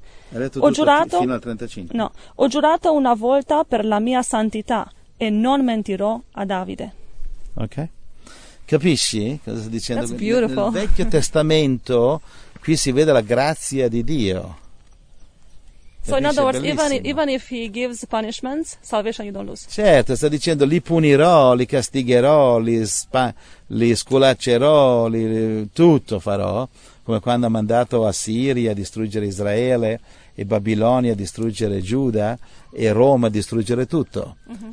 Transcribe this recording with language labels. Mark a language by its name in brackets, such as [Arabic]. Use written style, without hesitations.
[Italian] Hai letto tutto, giurato, fino al 35. No, ho giurato una volta per la mia santità e non mentirò a Davide. Ok. Capisci cosa sta dicendo? [English] That's beautiful. [Italian] Nel Vecchio Testamento qui si vede la grazia di Dio. [English] So in other words, even if he gives punishments, salvation you don't lose. [Italian] Certo, sta dicendo li punirò, li castigherò, li sculaccerò, tutto farò, come quando ha mandato Assiria a distruggere Israele e Babilonia a distruggere Giuda e Roma a distruggere tutto. Mm-hmm.